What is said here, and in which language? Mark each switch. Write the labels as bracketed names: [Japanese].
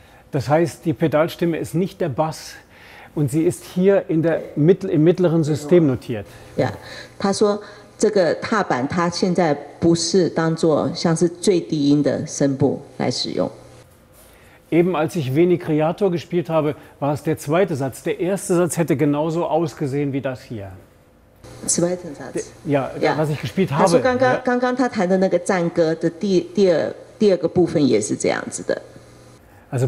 [German] Das heißt, die Pedalstimme ist nicht der Bass und sie ist hier im mittleren System notiert. [Chinese] Ja, 他说这个踏板它现在不是当作像是最低音的声部来使用。 [German] Eben als ich Veni Creator gespielt habe, war es der zweite Satz. Der erste Satz hätte genauso ausgesehen wie das hier. Zweiten Satz. Ja, ja, was ich gespielt habe. Also, gerade